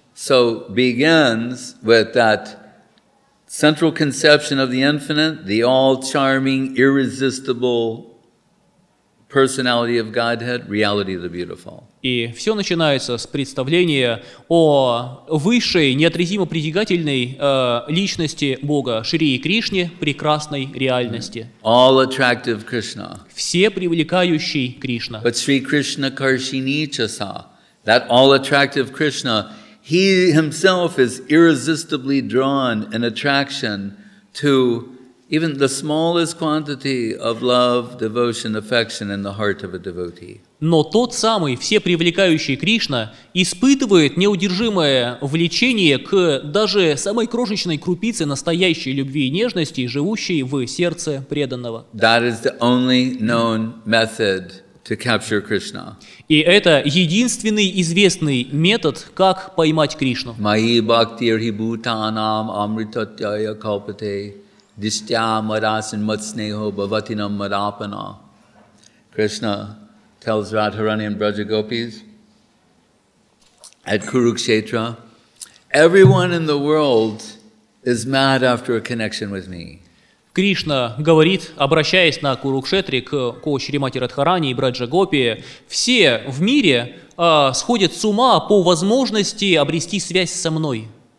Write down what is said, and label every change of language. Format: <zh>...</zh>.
<en>So begins with that central conception of the infinite, the all-charming, irresistible personality of Godhead, reality of the beautiful.</en> <ru>И все начинается с представления о высшей, неотразимо притягательной личности Бога, Шри Кришне, прекрасной реальности.</ru> <en>All attractive Krishna.</en> <ru>Все привлекающий Кришна.</ru> <en>But Sri Krishna Karshini Chasa, that all attractive Krishna, he himself is irresistibly drawn in attraction to even the smallest quantity of love, devotion, affection in the heart of a devotee.</en> <ru>Но тот самый всепривлекающий Кришна испытывает неудержимое влечение к даже самой крошечной крупице настоящей любви и нежности, живущей в сердце преданного.</ru> <en>That is the only known method to capture Krishna.</en> <ru>И это единственный известный метод, как поймать Кришну.</ru> <sa>Mahi bhaktirhi bhutanam amritatyaya kalpate distya madasin matsneho bhavatinam madapana.</sa> <en>Krishna tells Radharani and Braja Gopis at Kurukshetra, Everyone in the world is mad after a connection with me.</en> <ru>Кришна говорит, обращаясь на Курукшетре, к Шримати Радхарани и Браджа Гопи, все в мире сходят с ума по возможности обрести связь со мной.</ru>